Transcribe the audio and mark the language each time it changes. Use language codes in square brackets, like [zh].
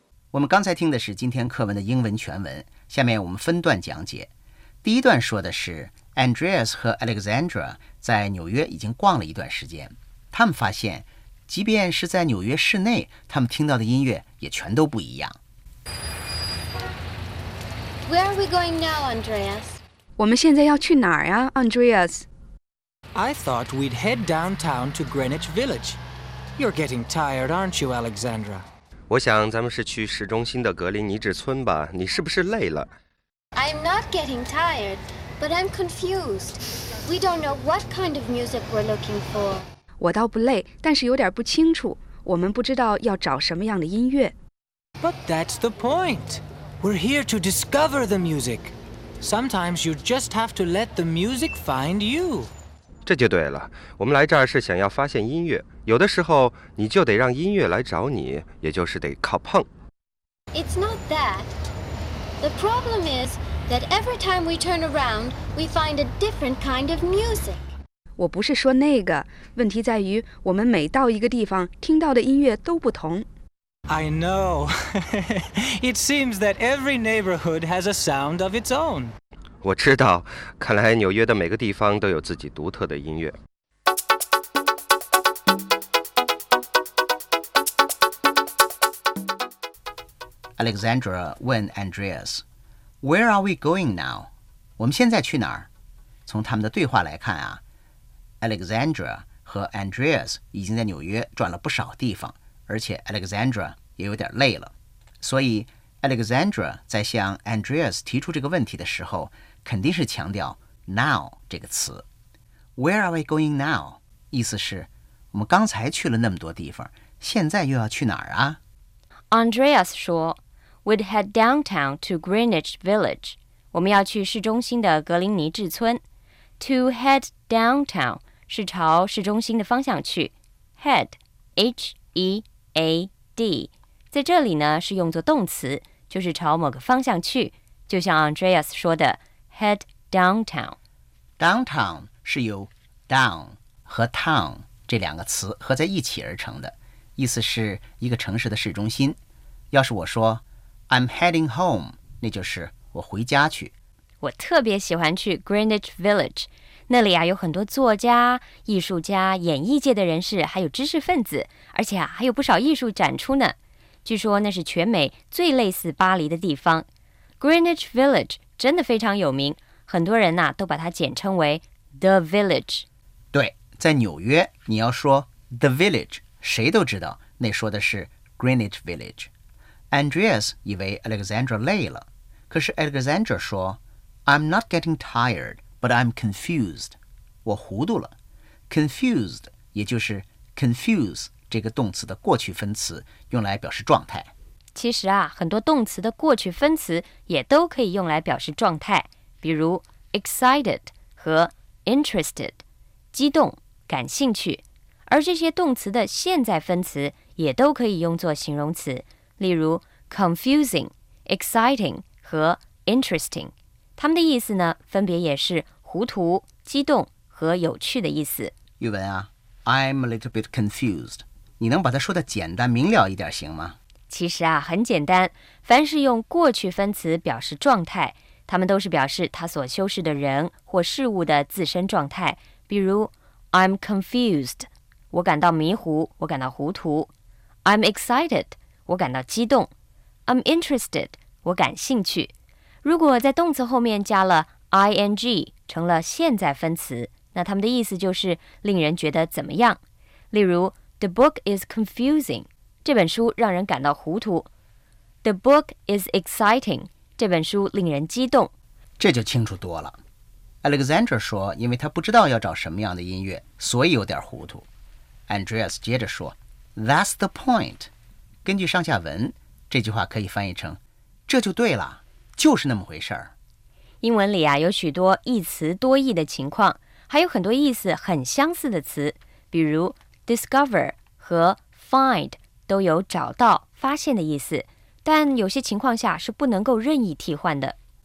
[zh] 我们刚才听的是今天课文的英文全文，下面我们分段讲解。第一段说的是 Andreas 和 Alexandra 在纽约已经逛了一段时间，他们发现即便是在纽约市内，他们听到的音乐也全都不一样。 [en] Where are we going now, Andreas? [zh] 我们现在要去哪儿呀 Andreas? [en] I thought we'd head downtown to Greenwich Village. You're getting tired, aren't you, Alexandra? [zh] 我想咱们是去市中心的格林尼治村吧，你是不是累了？ [en] I'm not getting tired, but I'm confused. We don't know what kind of music we're looking for. [zh] 我倒不累，但是有点不清楚，我们不知道要找什么样的音乐。 [en] But that's the point. We're here to discover the music. Sometimes you just have to let the music find you. [zh] 这就对了，我们来这儿是想要发现音乐，有的时候你就得让音乐来找你，也就是得靠碰。 [en] It's not that. The problem is that every time we turn around, we find a different kind of music. [zh] 我不是说那个，问题在于我们每到一个地方听到的音乐都不同。 [en] I know. It seems that every neighborhood has a sound of its own. [zh] 我知道，看来纽约的每个地方都有自己独特的音乐。 [en] Alexandra 问 Andreas, Where are we going now? [zh] 我们现在去哪儿？从他们的对话来看啊，Alexandra 和 Andreas 已经在纽约转了不少地方，而且 Alexandra 也有点累了，所以 Alexandra 在向 Andreas 提出这个问题的时候，肯定是强调 now 这个词。 [en] Where are we going now? [zh] 意思是我们刚才去了那么多地方，现在又要去哪儿啊？ [en] Andreas 说 We'd head downtown to Greenwich Village. [zh] 我们要去市中心的格林尼治村。 [en] To head downtown [zh] 是朝市中心的方向去。 Head, H-E-A-D, 在这里呢是用作动词，就是朝某个方向去，就像 Andreas 说的 [en] head downtown。 [zh] Downtown 是由 down 和 town 这两个词合在一起而成的，意思是一个城市的市中心。要是我说 [en] I'm heading home, [zh] 那就是我回家去。我特别喜欢去 Greenwich Village, 那里啊有很多作家、艺术家、演艺界的人士，还有知识分子，而且啊还有不少艺术展出呢。据说那是全美最类似巴黎的地方。Greenwich Village 真的非常有名，很多人啊都把它简称为 The Village。对，在纽约你要说 The Village, 谁都知道那说的是 Greenwich Village。 [en] Andreas [zh] 以为 Alexandra 累了，可是 Alexandra 说 [en] I'm not getting tired, but I'm confused. [zh] 我糊涂了。 Confused, 也就是 confuse 这个动词的过去分词，用来表示状态。其实啊，很多动词的过去分词也都可以用来表示状态，比如 excited 和 interested, 激动、感兴趣。而这些动词的现在分词也都可以用作形容词，例如 confusing, exciting 和 interesting。他们的意思呢，分别也是糊涂、激动和有趣的意思。玉文啊 ， [en] I'm a little bit confused。 [zh] 你能把它说得简单明了一点行吗？其实啊，很简单。凡是用过去分词表示状态，他们都是表示他所修饰的人或事物的自身状态。比如 ， [en] I'm confused， [zh] 我感到迷糊，我感到糊涂。 [en] I'm excited， [zh] 我感到激动。 [en] I'm interested， [zh] 我感兴趣。如果在动词后面加了 ing 成了现在分词，那他们的意思就是令人觉得怎么样。例如 [en] The book is confusing， [zh] 这本书让人感到糊涂。 [en] The book is exciting， [zh] 这本书令人激动。这就清楚多了。 Alexandra 说因为他不知道要找什么样的音乐，所以有点糊涂。 Andreas 接着说 [en] That's the point。 [zh] 根据上下文，这句话可以翻译成这就对了，就是那么回事儿。英文里啊有许多一词多义的情况，还有很多意思很相似的词，比如 discover 和 find 都有找到、发现的意思，但有些情况下是不能够任意替换的。